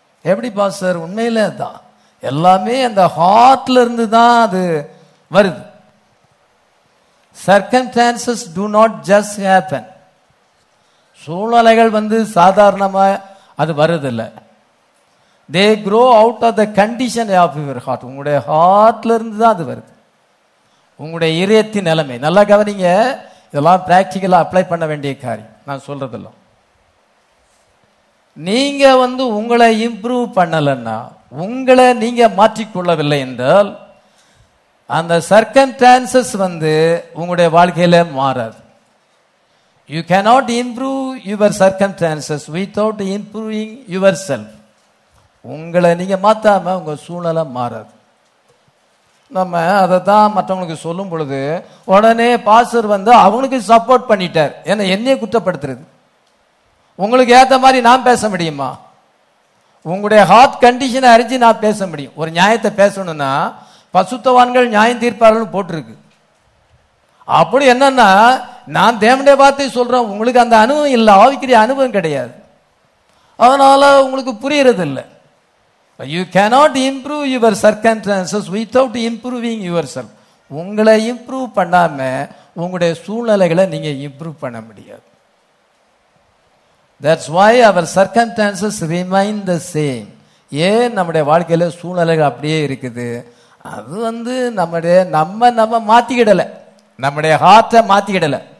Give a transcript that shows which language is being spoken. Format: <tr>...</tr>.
<ta>எப்படி பாஸ்டர், உண்மையிலே தான். எல்லாமே அந்த ஹார்ட்ல இருந்து தான் அது வருது.</ta> <en>Circumstances do not just happen.</en> <ta>சூழ்நிலைகள் வந்து சாதாரணமா அது வருதில்லை.</ta> <en>They grow out of the condition of your heart.</en> <ta>உங்களுடைய ஹார்ட்ல இருந்து தான் அது வருது. உங்களுடைய இதயத்தின் நிலைமை நல்லா கவனிங்க. இதெல்லாம் பிராக்டிக்கலா அப்ளை பண்ண வேண்டிய காரியம். நான் சொல்றதெல்லாம் நீங்க வந்து உங்களை இம்ப்ரூவ் பண்ணலன்னா, உங்களை நீங்க மாற்றிக்கொள்ளவில்லை என்றால் அந்த சர்கம்ஸ்டான்சஸ் வந்து உங்களுடைய வாழ்க்கையில மாறாது.</ta> <en>You cannot improve your circumstances without improving yourself.</en> <ta>உங்களை நீங்க மாத்தாம உங்க சூழ்நிலை மாறாது. நம்ம அதை தான் மற்றவங்களுக்கு சொல்லும் பொழுது உடனே பாஸ்டர் வந்து அவங்களுக்கு சப்போர்ட் பண்ணிட்டார். என்ன, என்னையே குற்றப்படுத்துறது? உங்களுக்கு ஏத்த மாதிரி நான் பேச முடியுமா? உங்களுடைய ஹார்ட் கண்டிஷனை அறிஞ்சு நான் பேச முடியும். ஒரு நியாயத்தை பேசணும்னா பசுத்தவான்கள் நியாயம் தீர்ப்பார்கள் போட்டிருக்கு. அப்படி என்னன்னா, நான் தேவனுடைய வார்த்தை சொல்றேன், உங்களுக்கு அந்த அனுபவம் இல்லை, ஆவிக்குரிய அனுபவம் கிடையாது, அதனால உங்களுக்கு புரியறது இல்லை.</ta> <en>You cannot improve your circumstances without improving yourself.</en> <ta>உங்களை இம்ப்ரூவ் பண்ணாம உங்களுடைய சூழ்நிலைகளை நீங்க இம்ப்ரூவ் பண்ண முடியாது.</ta> <en>That's why our circumstances remain the same.</en> <ta>ஏன் நம்முடைய வாழ்க்கையில சூழ்நிலைகள் அப்படியே இருக்குது? அது வந்து நம்ம மாத்திக்கிடல, நம்முடைய ஹார்ட்டை மாத்திக்கிடல.</ta>